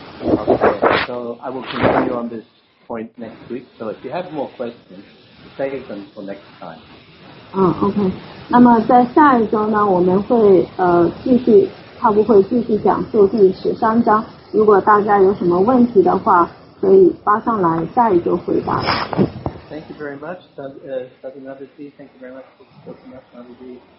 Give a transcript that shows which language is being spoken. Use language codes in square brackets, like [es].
[en] Okay, so I will continue on this point next week. So if you have more questions, save them for next time. Okay. [zh] 那么在下一周呢, 我们会, 继续, 他不会继续讲述第13章, 如果大家有什么问题的话, 可以发上来, 下一周回答。 [en] Thank you very much, Sadhguru. Thank you very much for coming up, Sadhguru.